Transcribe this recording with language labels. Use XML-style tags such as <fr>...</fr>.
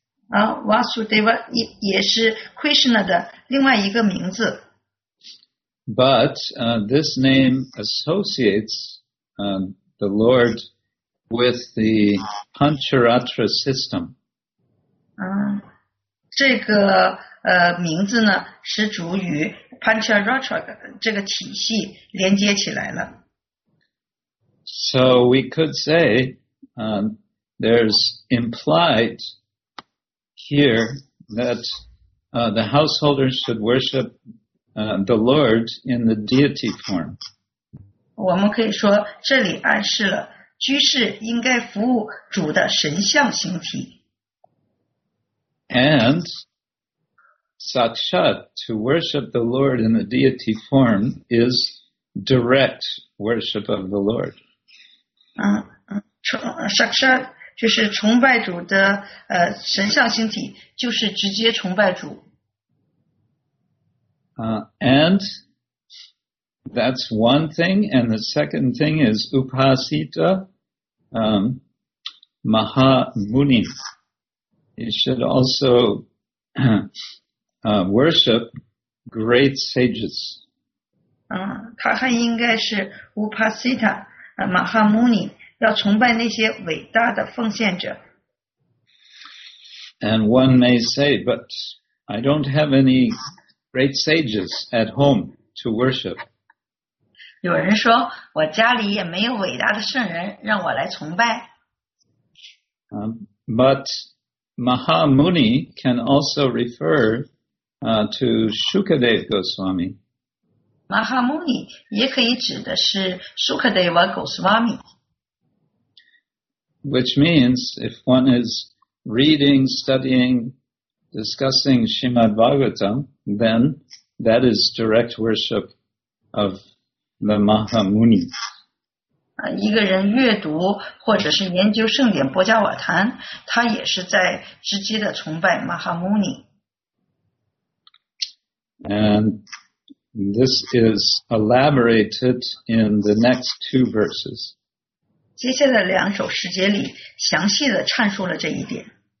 <zh>Vasudeva 也是 Krishna 的另外一个名字。</zh> <en>But this name associates the Lord with the Pancharatra system.</en> <zh>这个名字呢是主与 Pancharatra 这个体系连接起来了。</zh> <en>So we could say there's implied here that the householders should worship the Lord in the deity form.</en> <zh>我们可以说这里暗示了居士应该服务主的神像形体。</zh> <en>And Satchat, to worship the Lord in the deity form, is direct worship of the Lord.</en> <zh>Satchat, 就是崇拜主的神像形体就是直接崇拜主。</zh> <en>And that's one thing, and the second thing is Upasita, Maha Muni. You should also worship great sages.</en> <zh>他还应该是 Upasita, Maha Muni, 要崇拜那些伟大的奉献者。</zh> <en>And one may say, but I don't have any great sages at home to worship.</en> <zh>有人说我家里也没有伟大的圣人让我来崇拜。</zh> <en>But Mahamuni can also refer to Shukadeva Goswami.</en> <zh>Mahamuni 也可以指的是 Shukadeva Goswami.</zh> <en>Which means if one is reading, studying, discussing Srimad Bhagavatam, then that is direct worship of the Mahamuni.</en> <zh>一个人阅读或者是研究圣典波迦瓦坛，他也是在直接的崇拜 Mahamuni.</zh> <en>And this is elaborated in the next two verses.</en> <zh>接下来两首诗节里详细的阐述了这一点。</zh>